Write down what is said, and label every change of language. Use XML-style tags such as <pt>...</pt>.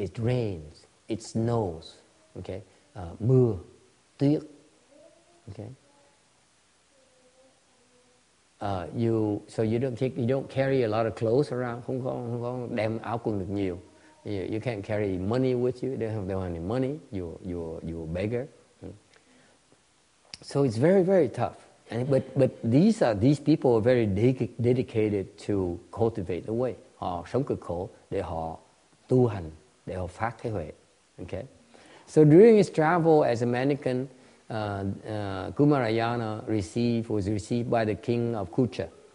<en>it rains, it snows, okay?</en> <vi>Mưa, tuyết,</vi> <en>okay? You don't carry a lot of clothes around,</en> <vi>không đem áo quần được nhiều.</vi> <en>You can't carry money with you, you don't have any money, you're a beggar. So it's very, very tough. And but these people are very dedicated to cultivate the way.</en> <vi>Họ sống cực khổ để họ tu hành, để họ phát thế huệ. Okay?</vi> <en>So during his travel as a mendicant, Kumarayana was received by the king of Kucha.</en>